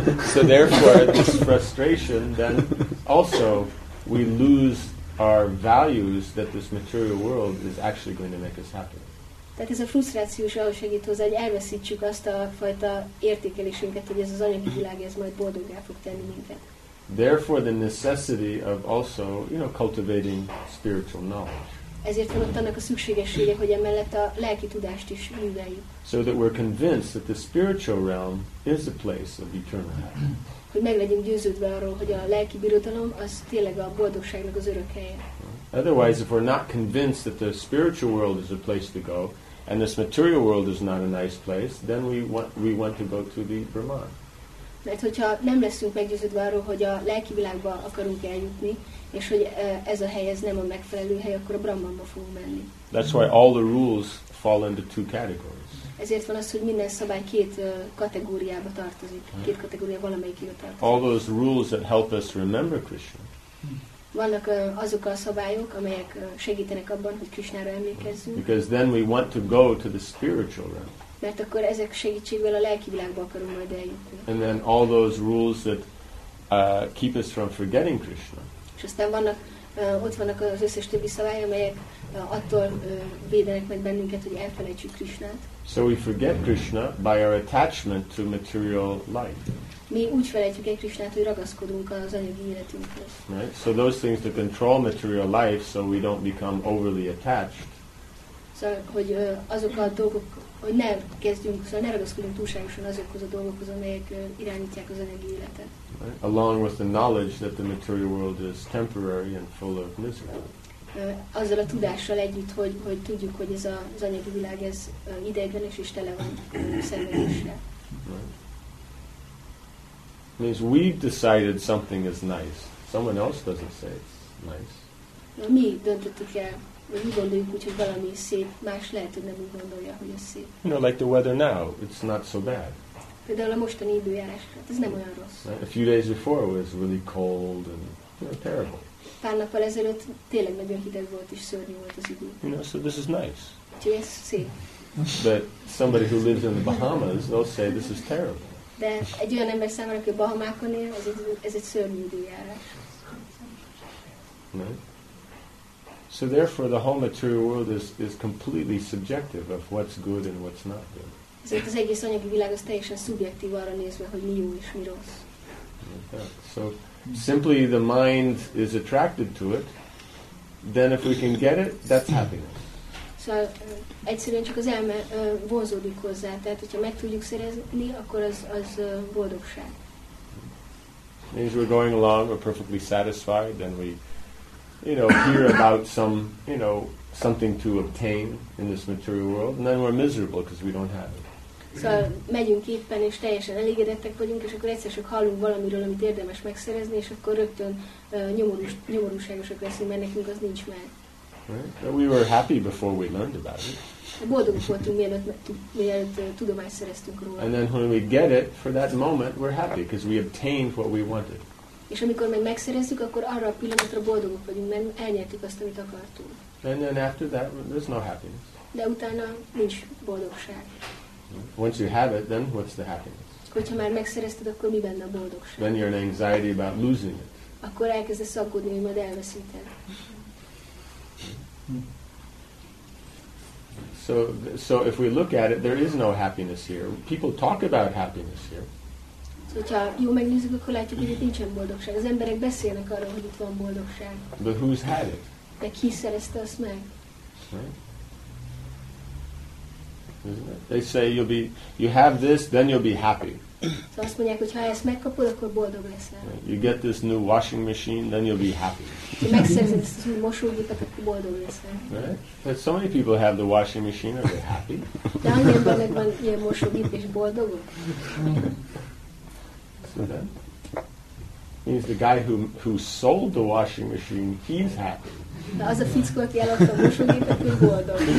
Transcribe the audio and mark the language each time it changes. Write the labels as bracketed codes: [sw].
[en] So therefore this frustration then also we lose our values that this material world is actually going to make us happy. [hu] Tehát ez a frusztrációs ahhoz segít hozzá, hogy elveszítsük azt a fajta értékelésünket, hogy ez az anyagi világ ez majd boldoggá fog tenni minket. [en] Therefore the necessity of also, you know, cultivating spiritual knowledge. [hu] Ezért van ott annak a szükségessége, hogy emellett a lelki tudást is műveljük. [en] So that we're convinced that the spiritual realm is a place of eternal happiness. [hu] Hogy meg legyünk győződve arról, hogy a lelki birodalom az tényleg a boldogságnak az örök helye. [en] Otherwise, if we're not convinced that the spiritual world is a place to go, and this material world is not a nice place, then we want to go to the Brahman. [hu] Mert hogyha nem leszünk meggyőződve arról, hogy a lelki világba akarunk eljutni, és hogy ez a hely ez nem a megfelelő hely, akkor a Brahmanba fogunk menni. [en] That's why all the rules fall into two categories. [hu] Ezért van az, hogy minden szabály két kategóriába tartozik. Két kategória valamelyikébe tartozik. [en] All those rules that help us remember Krishna. [hu] Vannak azok a szabályok, amelyek segítenek abban, hogy Krishnára emlékezzünk. [en] Because then we want to go to the spiritual realm. [hu] Mert akkor ezek segítségével a lelki világba akarunk majd eljutni. [en] And then all those rules that keep us from forgetting Krishna. [hu] És aztán vannak, ott vannak az összes többi szabály, amelyek attól védenek meg bennünket, hogy elfelejtsük Krishnát. [en] So we forget Krishna by our attachment to material life. [hu] Mi úgy felejtjük el Krishnát, hogy ragaszkodunk az anyagi életünkhöz. [en] Right? So those things that control material life, so we don't become overly attached. [hu] Szóval, hogy azok a dolgok, hogy ne kezdjünk, szóval ne ragaszkodjunk túlságosan azokhoz a dolgokhoz, amelyek irányítják az anyagi életet. [en] Right? Along with the knowledge that the material world is temporary and full of misery. [hu] Azzal a tudással együtt, hogy tudjuk, hogy ez az anyagi világ ez ideiglenes és tele van szenvedéssel. [en] Means we've decided something is nice. Someone else doesn't say it's nice. [hu] Na, mi döntöttük el, vagy mi gondoljuk úgy, hogy valami szép, más lehet, hogy nem úgy gondolja, hogy ez szép. [en] You know, like the weather now, it's not so bad. [hu] Például a mostani időjárás, ez nem olyan rossz. [en] Right? A few days before it was really cold and, you know, terrible. [hu] Pár nappal ezelőtt tényleg nagyon hideg volt és szörnyű volt az idő. [en] You know, so this is nice. [hu] Úgyhogy ez szép. [en] But somebody who lives in the Bahamas, they'll say this is terrible. [hu] De egy olyan ember számára, aki a Bahamákon él, ez egy szörnyű időjárás. [en] Right? So therefore the whole material world is completely subjective of what's good and what's not good. [hu] Ezért az egész anyagi világ az teljesen szubjektív arra nézve, hogy mi jó és mi rossz. [en] Like that. So simply the mind is attracted to it. then if we can get it, that's happiness. [hu] Szóval egyszerűen csak az elme vonzódik hozzá, tehát hogyha meg tudjuk szerezni, akkor az boldogság. [en] As we're going along, we're perfectly satisfied, then we, you know, hear about some, you know, something to obtain in this material world, and then we're miserable because we don't have it. [hu] Szóval megyünk éppen, és teljesen elégedettek vagyunk, és akkor egyszer csak hallunk valamiről, amit érdemes megszerezni, és akkor rögtön nyomorúságosak leszünk, mert nekünk az nincs meg. [en] Right? We were happy before we learned about it. [hu] Boldogok voltunk, mielőtt tudomást szereztünk róla. [en] And then when we get it, for that moment, we're happy, because we obtained what we wanted. [hu] És amikor meg megszerezzük, akkor arra a pillanatra boldogok vagyunk, mert elnyertük azt, amit akartunk. [en] And then after that, there's no happiness. [hu] De utána nincs boldogság. [en] Once you have it, then what's the happiness? [hu] Hogyha már megszerezted, akkor mi benne a boldogság? [en] Then you're in anxiety about losing it. [hu] Akkor elkezdesz aggódni, hogy majd elveszíted. [en] So if we look at it, there is no happiness here. People talk about happiness here. [hu] So, hogyha jól megnézzük, akkor látjuk, hogy itt nincsen boldogság. Az emberek beszélnek arról, hogy itt van boldogság. [en] But who's had it? [hu] De ki szerezte azt meg? [en] They say you have this, then you'll be happy. [hu] So azt mondják, hogy ha ezt megkapod, akkor boldog leszel. [en] You get this new washing machine, then you'll be happy. [hu] Ha megszerzed ezt a mosógépet, akkor boldog leszel. [en] Right? So many people have the washing machine, are they happy? [hu] De annyi ember megvan ilyen mosógép, és boldogok? [en] So then, means the guy who sold the washing machine, he's happy. [hu] De az a fickó, aki eladta a mosógépet, ő boldog.